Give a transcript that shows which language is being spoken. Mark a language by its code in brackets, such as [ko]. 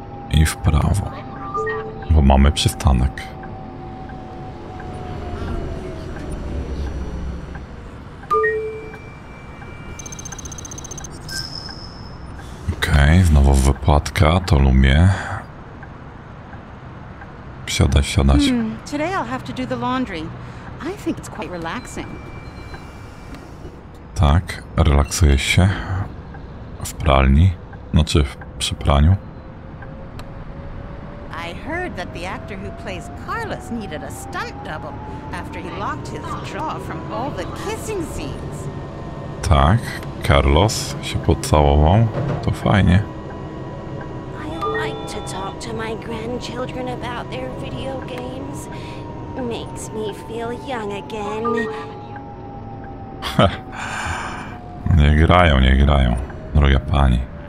[pl] I w prawo, bo mamy przystanek. Okej, znowu wypłatka, to lubię. Wsiadać, wsiadać. [en] Today I'll have to do the laundry. I think it's quite relaxing. [pl] Tak, relaksuję się w pralni, znaczy przy praniu. [en] That the actor who plays Carlos needed a stunt double after he locked his jaw from all the kissing scenes. [pl] Tak, Carlos się pocałował. To fajnie. [en] I like to talk to my grandchildren about their video games. Makes me feel young again. [pl] Nie grają, nie grają, droga pani.